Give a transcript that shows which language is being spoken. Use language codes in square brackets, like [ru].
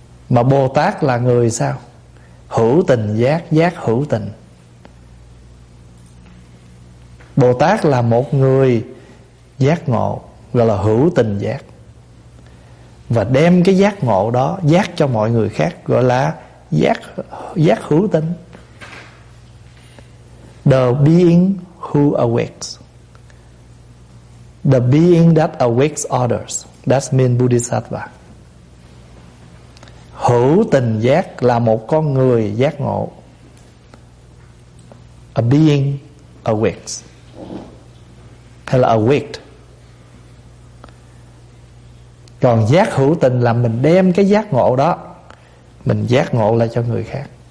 [vi] Mà Bồ Tát là người sao? Hữu tình giác, giác hữu tình. Bồ Tát là một người giác ngộ, gọi là hữu tình giác. Và đem cái giác ngộ đó giác cho mọi người khác, gọi là giác, giác hữu tình. [en] The being who awakes, the being that awakes others, that's mean Bodhisattva. [vi] Hữu tình giác là một con người giác ngộ. [en] A being awakes, [vi] hay là [en] awake. [vi] Còn giác hữu tình là mình đem cái giác ngộ đó, mình giác ngộ lại cho người khác.